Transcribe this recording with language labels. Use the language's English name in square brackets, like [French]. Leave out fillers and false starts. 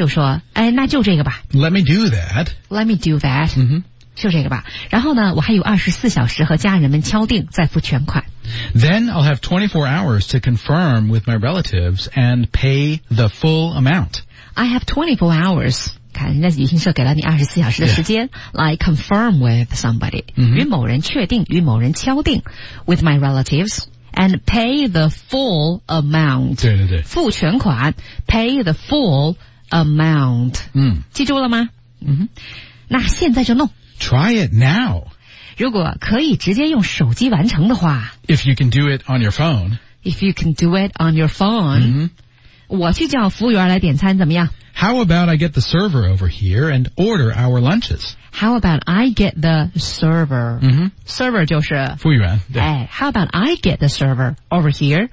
[Chinese] 学到了吗？好精彩吧？嗯，好，我们继续往下看。马晶晶就说：“哎，那就这个吧。” [English] Let me do that. Let me do that. Mm-hmm. [Chinese] 就这个吧，然后呢，我还有24小时和家人们敲定再付全款。 [English] Then I'll have 24 hours to confirm with my relatives and pay the full amount. I have 24 hours. [Chinese] 看，人家旅行社给了你24小时的时间 [English] yeah. like confirm with somebody. Mm-hmm. [Chinese] 与某人确定，与某人敲定 [English] with my relatives and pay the full amount. [Chinese] 对对对，付全款 [English] pay the full amount. [Chinese] 嗯，记住了吗？嗯，那现在就弄。 [English] Try it now. [Chinese] 如果可以直接用手机完成的话, [English] if you can do it on your phone. If you can do it on your phone. Mm-hmm. [Chinese] 我去叫服务员来点餐怎么样? [English] How about I get the server over here and order our lunches? How about I get the server? Mm-hmm. [Chinese] Server就是服务员, [English] 哎, how about I get the server over here